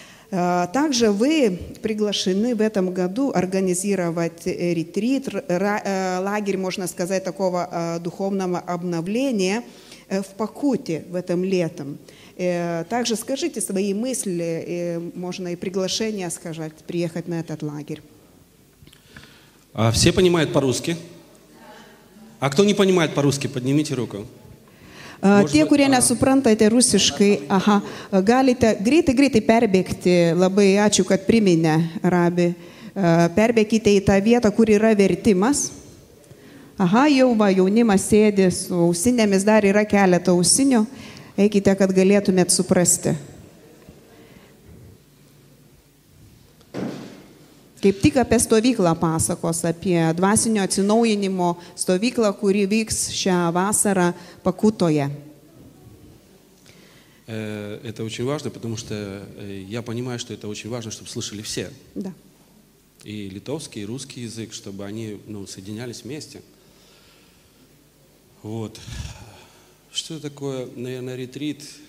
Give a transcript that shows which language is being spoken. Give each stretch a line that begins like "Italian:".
Russian: Также вы приглашены в этом году организировать ретрит, лагерь, можно сказать, такого духовного обновления – в Пакуте в этом летом. Также скажите свои мысли, можно и приглашение сказать, приехать на этот лагерь. Все понимают по-русски? А кто не понимает по-русски, поднимите руку.
Lithuanian: Tie, kurie nesuprantate rusiškai, aha, galite greitai perbėgti, labai ačiū, kad priminė, rabi, perbėgite į tą vietą, kur yra vertimas. Aha, jau va, jaunimas sėdi su ausinėmis, dar yra keletą ausinių, eikite, kad galėtumėt suprasti. Kaip tik apie stovyklą pasakos, apie dvasinio atsinaujinimo stovyklą, kuri vyks šią vasarą Pakutoje.
Russian: Это очень важно, потому что я понимаю, что это очень важно, чтобы слышали все. Да. И литовский, и русский язык, чтобы они, ну, соединялись вместе. Вот. Что такое, наверное, ретрит?